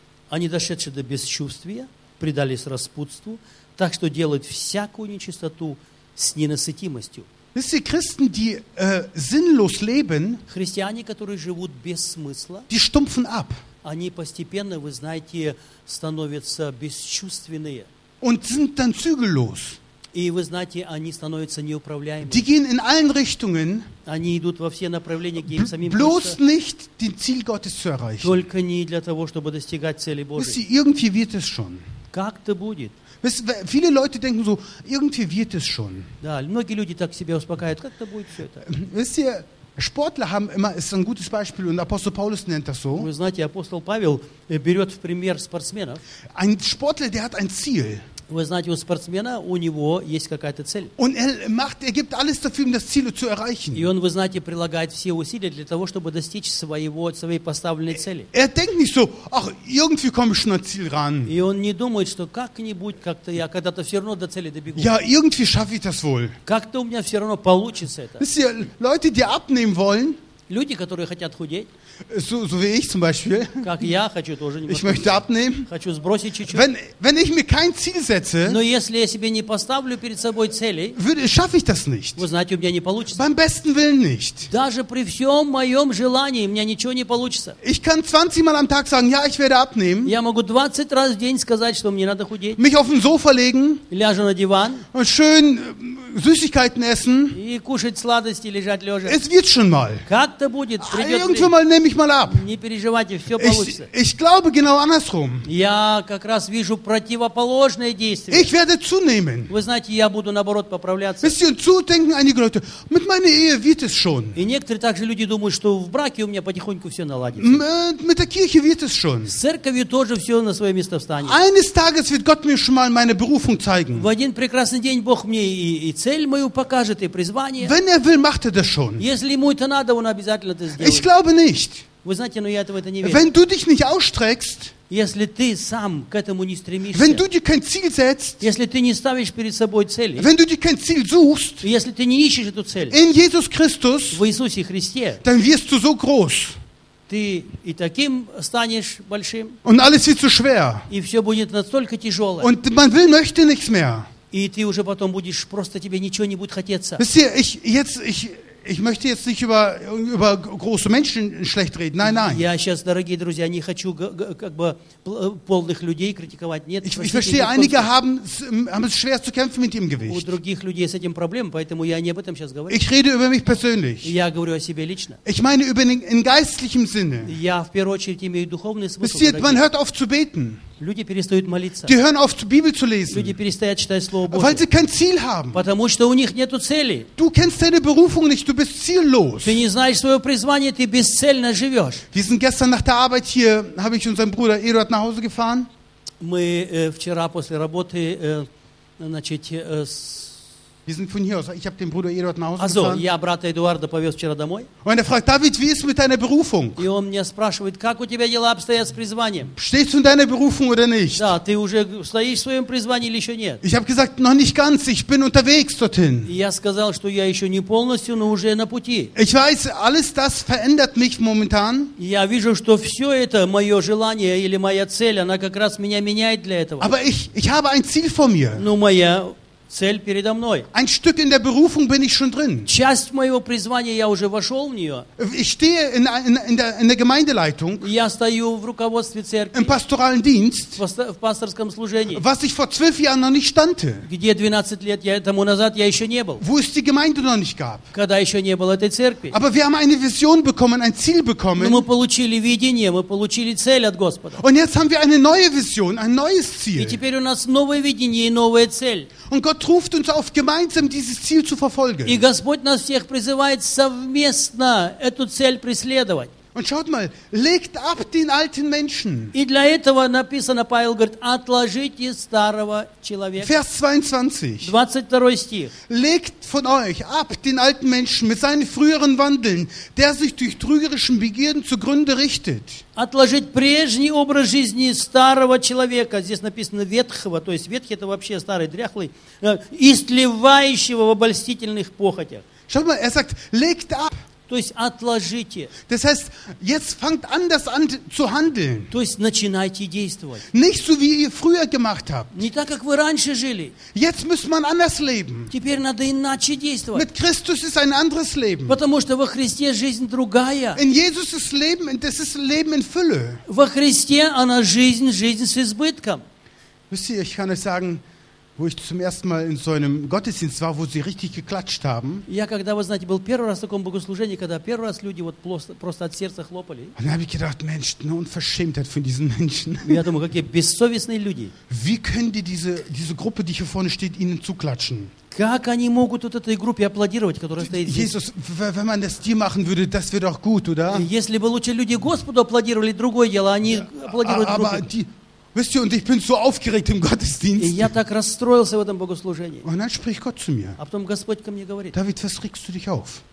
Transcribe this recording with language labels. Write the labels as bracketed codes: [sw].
[ru] Они дошедшие до бесчувствия, предались распутству, так что делают всякую нечистоту с ненасытимостью. [de] Wisst ihr, Christen, die sinnlos leben, [ru] христиане, которые живут без смысла, [de] die stumpfen ab. [ru] Они постепенно, вы знаете, становятся бесчувственные. [de] Und sind dann zügellos. [ru] И вы знаете, они становятся неуправляемыми. [de] Die gehen in allen Richtungen, [ru] они идут во все направления, где им самим [de] bloß [ru] просто, [de] nicht den Ziel Gottes zu erreichen. [ru] Только не для того, чтобы достигать цели Божьей. [de] Wisst ihr, irgendwie wird es schon. [ru] Как-то будет. [de] Wisst, viele Leute denken so, irgendwie wird es schon. [ru] Да, многие люди так себя успокаивают. Как-то будет все это. [de] Wisst ihr, Sportler haben immer, ist ein gutes Beispiel, und Apostel Paulus nennt das so. [ru] Вы знаете, апостол Павел берет в пример спортсменов. [de] Ein Sportler, der hat ein Ziel. [ru] Вы знаете, у спортсмена, у него есть какая-то цель. [de] Und er gibt alles dafür, um das Ziel zu erreichen. [ru] И он, вы знаете, прилагает все усилия для того, чтобы достичь своей поставленной цели. [de] Er denkt nicht so, ach, irgendwie komme ich schon ans Ziel ran. [ru] И он не думает, что как-нибудь, как-то я когда-то все равно до цели добегу. [de] Ja, irgendwie schaffe ich das wohl. [ru] Как-то у меня все равно получится это. [de] Wisst ihr, Leute, die abnehmen wollen, [ru] люди, которые хотят худеть, [de] So wie ich zum Beispiel. [ru] Как я хочу тоже. [de] Ich möchte abnehmen. [ru] Хочу сбросить чуть-чуть. [de] Wenn ich mir kein Ziel setze. [ru] Но если я себе не поставлю перед собой цели. [de] Schaffe ich das nicht. [ru] Вы знаете, у меня не получится. [de] Beim besten Willen nicht. [ru] Даже при всем моем желании у меня ничего не получится. [de] Ich kann 20 Mal am Tag sagen, ja, ich werde abnehmen. [ru] Я могу 20 раз в день сказать, что мне надо худеть. [de] Mich auf den Sofa legen. [ru] Ляжу на диван. [de] Und schön Süßigkeiten essen. [ru] И кушать сладости, лежать лежа. [de] Es wird schon mal. [ru] Как-то будет. Придет [de] irgendwann [ru] время. [de] Mal nehme ich mal ab. [ru] Не переживайте, все получится. [de] Ich glaube genau andersrum. [ru] Я как раз вижу противоположное действие. [de] Ich werde zunehmen. [ru] Вы знаете, я буду наоборот поправляться. [de] Wisst ihr, zu denken einige Leute, mit meiner Ehe wird es schon. [ru] И некоторые также люди думают, что в браке у меня потихоньку все наладится. [de] Mit der Kirche wird es schon. [ru] С церковью тоже все на свое место встанет. [de] Eines Tages wird Gott mir schon mal meine Berufung zeigen. [ru] В один прекрасный день Бог мне и цель мою покажет, и призвание. [de] Wenn er will, macht er das schon. [ru] Если ему это надо, он обязательно это сделает. [de] Ich glaube nicht. [ru] Вы знаете, но я в это не верю. [de] Wenn du dich nicht ausstreckst, [ru] если ты сам к этому не стремишься, [de] wenn du dir kein Ziel setzt, [ru] если ты не ставишь перед собой цели, [de] wenn du dir kein Ziel suchst, [ru] если ты не ищешь эту цель, [de] in Jesus Christus, [ru] в Иисусе Христе, [de] dann wirst du so groß. [ru] Ты и таким станешь большим. [de] Und alles wird so schwer. [ru] И все будет настолько тяжело. [de] Und man will, möchte nichts mehr. [ru] И ты уже потом будешь просто тебе ничего не будет хотеться. [de] Wisst ihr, Ich möchte jetzt nicht über große Menschen schlecht reden. Nein, nein. [ru] Я сейчас, дорогие друзья, не хочу как бы полных людей критиковать. Нет. [de] Ich verstehe, einige haben es schwer zu kämpfen mit ihrem Gewicht. [ru] У других людей с этим проблемы, поэтому я не об этом сейчас говорю. [de] Ich rede über mich persönlich. [ru] Я говорю о себе лично. [de] Ich meine über in geistlichem Sinne. [ru] Я в первую очередь имею духовный смысл. [de] Wisst ihr, man hört auf zu beten. [ru] Люди перестают молиться. [de] Die hören auf, die Bibel zu lesen. [ru] Люди перестают читать Слово Божие. [de] Weil sie kein Ziel haben. [ru] Потому что у них нету цели. [de] Du kennst deine Berufung nicht, du bist ziellos. [ru] Ты не знаешь свое призвание, ты бесцельно живешь. [de] Wir sind gestern nach der Arbeit hier, habe ich unseren Bruder Eduard nach Hause gefahren. [ru] Мы вчера после работы, значит, [de] Wir sind von hier aus. Ich habe den Bruder Eduard nach Hause also, gefahren. Also, [ru] я брата Эдуарда повез вчера домой. [de] Und er fragt, David, wie ist mit deiner Berufung? [ru] И он меня спрашивает, как у тебя дела обстоят с призванием? [de] Stehst du in deiner Berufung oder nicht? [ru] Да, ты уже стоишь в своем призвании или еще нет? [de] Ich habe gesagt, noch nicht ganz. Ich bin unterwegs dorthin. [ru] Я сказал, что я еще не полностью, но уже на пути. [de] Ich weiß, alles das verändert mich momentan. [ru] Я вижу, что все это мое желание или моя цель, она как раз меня меняет для этого. [de] Aber ich habe ein Ziel vor mir. [ru] Ну, моя цель передо мной. [de] Ein Stück in der Berufung bin ich schon drin. [ru] Часть моего призвания, я уже вошел в нее. [de] Ich stehe in der Gemeindeleitung. [ru] Я стою в руководстве церкви. [de] Im pastoralen Dienst. [ru] В пасторском служении. [de] Was ich vor 12 Jahren noch nicht stande. [ru] Где 12 лет тому назад я еще не был. [de] Wo es die Gemeinde noch nicht gab. [ru] Когда еще не было этой церкви. [de] Aber wir haben eine Vision bekommen, ein Ziel bekommen. [ru] Но мы получили видение, мы получили цель от Господа. [de] Und jetzt haben wir eine neue Vision, ein neues Ziel. [ru] И теперь у нас новое видение и новая цель. [de] Und Gott ruft uns auf, gemeinsam dieses Ziel zu verfolgen. [ru] И Господь нас всех призывает совместно эту цель преследовать. [de] Und schaut mal, legt ab den alten Menschen. [ru] И для этого написано, Павел говорит, отложите старого человека. [de] Vers 22. [ru] 22 стих. [de] Legt von euch ab den alten Menschen mit seinen früheren Wandeln, der sich durch trügerischen Begierden zugrunde richtet. [ru] Отложить прежний образ жизни старого человека. Здесь написано ветхого, то есть ветхий это вообще старый, дряхлый, истлевающего в обольстительных похотях. [de] Schaut mal, er sagt, legt ab. [ru] То есть отложите. [de] Das heißt, jetzt fangt an, das an zu handeln. [ru] То есть начинайте действовать. [de] Nicht so, wie ihr früher gemacht habt. [ru] Не так, как вы раньше жили. [de] Jetzt muss man anders leben. [ru] Теперь надо иначе действовать. [de] Mit Christus ist ein anderes Leben. [ru] Потому что во Христе жизнь другая. [de] In Jesus ist Leben, das ist Leben in Fülle. [ru] Во Христе она жизнь, жизнь с избытком. [de] Wisst ihr, ich kann euch sagen, wo ich zum ersten Mal in so einem Gottesdienst war, wo sie richtig geklatscht haben. [ru] Я когда, вы знаете, был первый раз в таком богослужении, когда первый раз люди вот просто от сердца хлопали. [de] Und dann habe ich gedacht, Mensch, eine Unverschämtheit von diesen Menschen. [ru] Я думаю, какие бессовестные люди. [de] Wie können die diese Gruppe, die hier vorne steht, ihnen zuklatschen? [ru] Как они могут вот этой группе аплодировать, которая стоит здесь? [de] Jesus, wenn man das dir machen würde, das wäre doch gut, oder? [ru] Если бы лучше люди Господу аплодировали, другое дело, они аплодируют группе. [de] Wisst ihr, und ich bin so aufgeregt im Gottesdienst. Und dann spricht Gott zu mir. David, was regst du dich auf?